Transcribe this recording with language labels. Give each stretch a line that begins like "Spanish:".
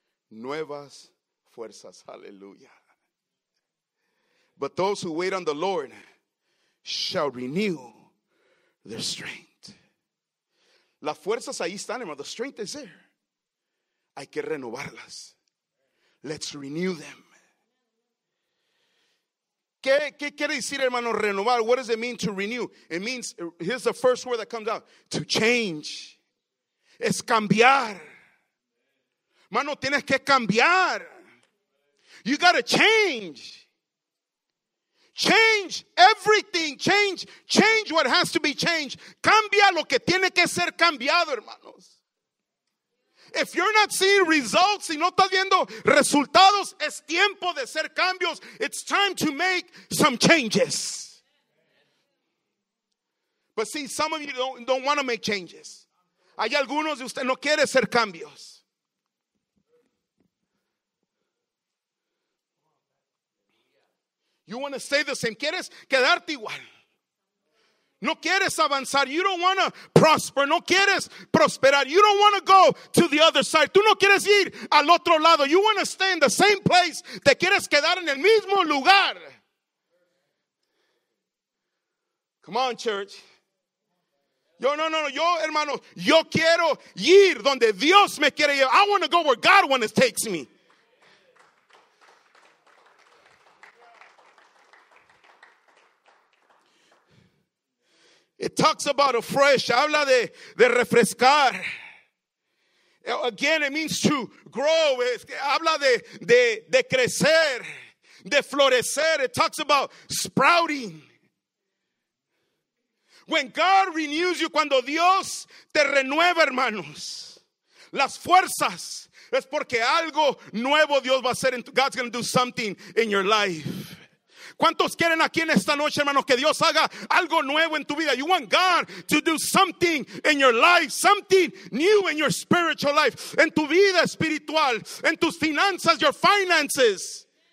Spanish: Nuevas fuerzas, hallelujah.
English: But those who wait on the Lord shall renew their strength.
Spanish: Las fuerzas ahí están, hermano.
English: The strength is there.
Spanish: Hay que renovarlas.
English: Let's renew them.
Spanish: ¿Qué quiere decir, hermano, renovar?
English: What does it mean to renew? It means, here's the first word that comes out, to change.
Spanish: es cambiar. Mano, tienes que cambiar.
English: You gotta change. Change everything. Change, change what has to be changed.
Spanish: Cambia lo que tiene que ser cambiado, hermanos.
English: If you're not seeing results,
Spanish: si no estás viendo resultados, es tiempo de hacer cambios.
English: It's time to make some changes. But see, some of you don't want to make changes.
Spanish: Hay algunos de ustedes no quiere hacer cambios.
English: You want to stay the same.
Spanish: Quieres quedarte igual. No quieres avanzar.
English: You don't want to prosper.
Spanish: No quieres prosperar.
English: You don't want to go to the other side.
Spanish: Tú no quieres ir al otro lado.
English: You want to stay in the same place.
Spanish: Te quieres quedar en el mismo lugar.
English: Come on, church.
Spanish: Yo, hermano, yo quiero ir donde Dios me quiere ir.
English: I want to go where God wants to take me. It talks about a fresh,
Spanish: habla de refrescar.
English: Again, it means to grow.
Spanish: Habla de crecer, de florecer.
English: It talks about sprouting. When God renews you,
Spanish: cuando Dios te renueva, hermanos, las fuerzas, es porque algo nuevo Dios va a hacer.
English: God's going to do something in your life.
Spanish: ¿Cuántos quieren aquí en esta noche, hermanos, que Dios haga algo nuevo en tu vida?
English: You want God to do something in your life, something new in your spiritual life,
Spanish: en tu vida espiritual, en tus finanzas,
English: your finances.